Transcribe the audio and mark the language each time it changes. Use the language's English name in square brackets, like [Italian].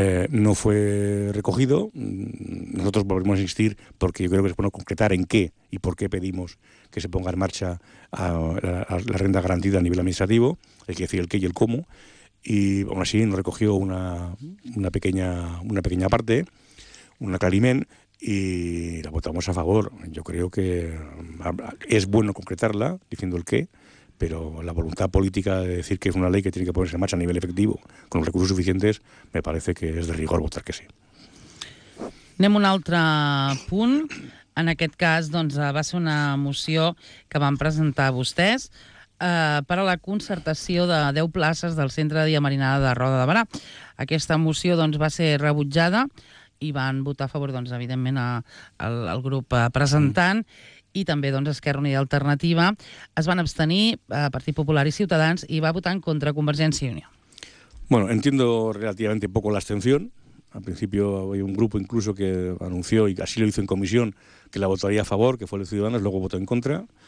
[Spanish] No fue recogido. Nosotros volvemos a insistir porque yo creo que es bueno concretar en qué y por qué pedimos que se ponga en marcha a la renta garantida a nivel administrativo, hay que decir el qué y el cómo, y aún así nos recogió una pequeña parte, una clarimén, y la votamos a favor. Yo creo que es bueno concretarla diciendo el qué, pero la voluntad política de decir que es una ley que tiene que ponerse en marcha a nivel efectivo, con los recursos suficientes, me parece que es de rigor votar que sí. [Catalan] Anem a un altre punt. En aquest cas, doncs, va ser una moció que van presentar vostès per a la concertació de 10 places del centre de dia Marinada de Roda de Barà. Aquesta moció, doncs, va ser rebutjada i van votar a favor, doncs, evidentment, al grup presentant. I també, doncs, Esquerra Unida Alternativa es van abstenir, Partit Popular i Ciutadans, i va votar en contra Convergència i Unió. [Spanish] Bueno, entiendo relativamente poco la abstención. Al principio había un grupo incluso que anunció, y así lo hizo en comisión, que la votaría a favor, que fue el Ciudadanos, luego votó en contra.